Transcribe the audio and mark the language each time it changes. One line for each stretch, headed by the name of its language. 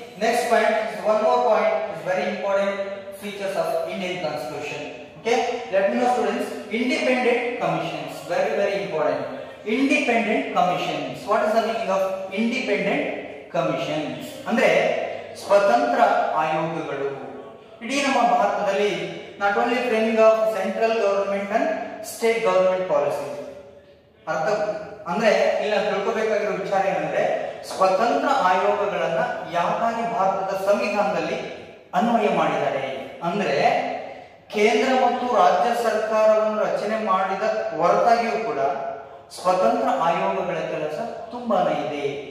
English: Next point, one more point is very important features of Indian constitution. Okay, let me know students, independent commissions very very important. Independent commissions, what is the meaning of independent commissions
Kannada: ಅಂದ್ರೆ ಸ್ವತಂತ್ರ ಆಯೋಗಗಳು. ಇಡೀ ನಮ್ಮ ಭಾರತದಲ್ಲಿ
English: not only framing of central government and state government policies.
Kannada: ಅಂದ್ರೆ ಇಲ್ಲ ತಿಳ್ಕೋಬೇಕಾಗಿರೋ ವಿಚಾರ ಏನಂದ್ರೆ ಸ್ವತಂತ್ರ ಆಯೋಗಗಳನ್ನ ಯಾವಾಗಿ ಭಾರತದ ಸಂವಿಧಾನದಲ್ಲಿ ಅನ್ವಯ ಮಾಡಿದ್ದಾರೆ ಅಂದ್ರೆ ಕೇಂದ್ರ ಮತ್ತು ರಾಜ್ಯ ಸರ್ಕಾರವನ್ನು ರಚನೆ ಮಾಡಿದ ಹೊರತಾಗಿಯೂ ಕೂಡ ಸ್ವತಂತ್ರ ಆಯೋಗಗಳ ಕೆಲಸ ತುಂಬಾನೇ ಇದೆ.